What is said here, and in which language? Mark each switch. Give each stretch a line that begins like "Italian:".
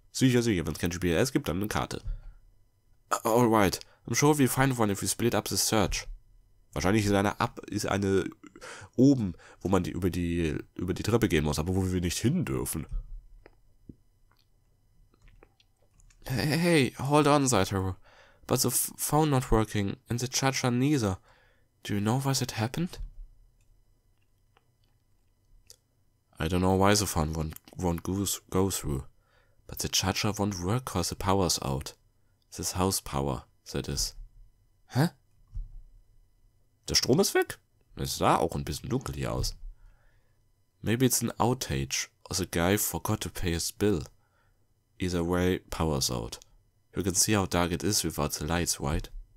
German: Sicher, wenn es kein GPS gibt, dann eine Karte.
English: Alright, I'm sure we'll find one if we split up the search.
German: Wahrscheinlich ist eine oben, wo man über die Treppe gehen muss, aber wo wir nicht hin dürfen.
English: Hey, hold on, Zaitaro. But the phone not working and the charger neither. Do you know why that happened? I don't know why the phone won't go through. But the charger won't work cause the power's out. This house power, that is. Hä?
German: Der Strom ist weg? Es sah auch ein bisschen dunkel hier aus.
English: Maybe it's an outage or the guy forgot to pay his bill. Either way, power's out. You can see how dark it is without the lights, right?